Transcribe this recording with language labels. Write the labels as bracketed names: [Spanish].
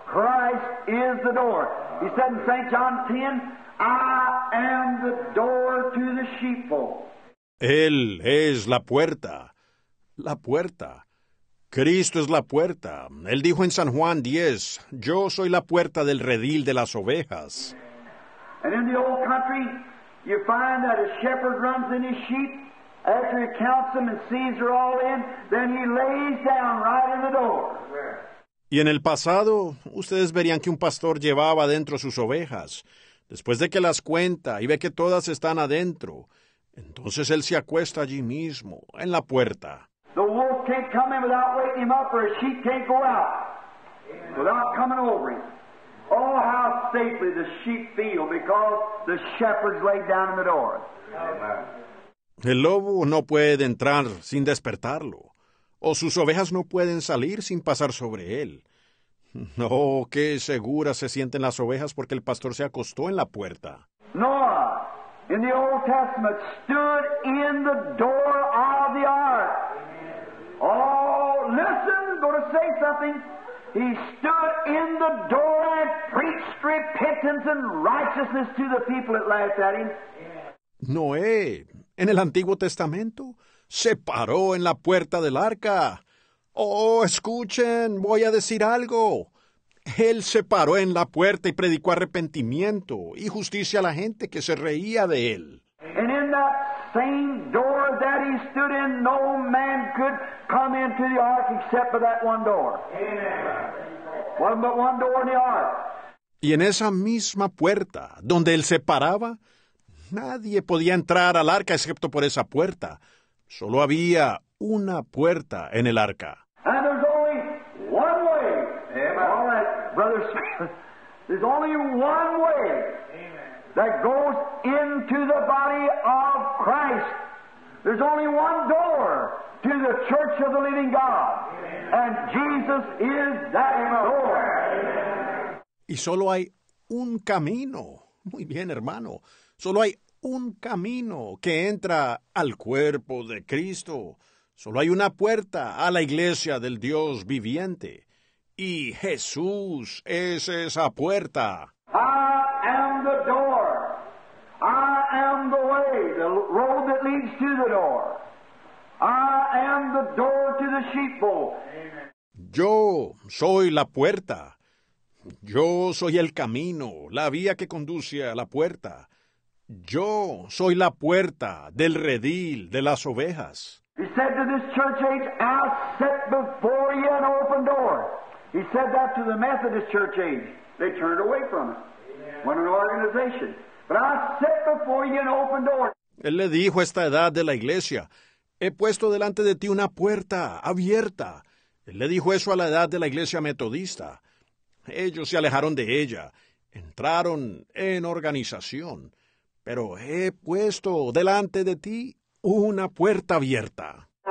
[English] Christ is the door. He said in St. John 10, I am the door to the sheepfold. [Spanish] Él es la puerta. La puerta. Cristo es la puerta. Él dijo en San Juan 10, yo soy la puerta del redil de las ovejas. [English] And in the old country, you find that a shepherd runs in his sheep. After he counts them and sees they're all in, then he lays down right in the door. [Spanish] Y en el pasado, ustedes verían que un pastor llevaba adentro sus ovejas. Después de que las cuenta y ve que todas están adentro, entonces él se acuesta allí mismo, en la puerta. [English] The wolf can't come in without waking him up, or a sheep can't go out without coming over him. Oh, how safely the sheep feel because the shepherd's laid down in the door. Amen. [Spanish] El lobo no puede entrar sin despertarlo. O sus ovejas no pueden salir sin pasar sobre él. No, oh, qué seguras se sienten las ovejas porque el pastor se acostó en la puerta. [English] Noah, in the Old Testament, stood in the door of the ark. Oh, listen, I'm going to say something. He stood in the door and preached repentance and righteousness to the people that laughed at him. [Spanish] Noé, en el Antiguo Testamento, se paró en la puerta del arca. Oh, escuchen, voy a decir algo. Él se paró en la puerta y predicó arrepentimiento y justicia a la gente que se reía de él. [English] And in that same door that he stood in, no man could come into the ark except for that one door. Amen. One but one door in the ark. [Spanish] Y en esa misma puerta donde él se paraba, nadie podía entrar al arca excepto por esa puerta. Solo había una puerta en el arca. [English] And there's only one way. Amen. All right, brothers, there's only one way. Amen. That goes into the body of Christ. There's only one door to the church of the living God. Amen. And Jesus is that door. Amen. [Spanish] Y solo hay un camino. Muy bien, hermano. Solo hay un camino que entra al cuerpo de Cristo. Solo hay una puerta a la iglesia del Dios viviente. Y Jesús es esa puerta. [English] I am the door. I am the way, the road that leads to the door. I am the door to the sheepfold. [Spanish] Yo soy la puerta. Yo soy el camino, la vía que conduce a la puerta. Yo soy la puerta del redil de las ovejas. [English] He said to this church age, I set before you an open door. He said that to the Methodist church age. They turned away from it. Amen. What an organization. But I set before you an open door. [Spanish] Él le dijo a esta edad de la iglesia, he puesto delante de ti una puerta abierta. Él le dijo eso a la edad de la iglesia metodista. Ellos se alejaron de ella, entraron en organización, pero he puesto delante de ti una puerta abierta.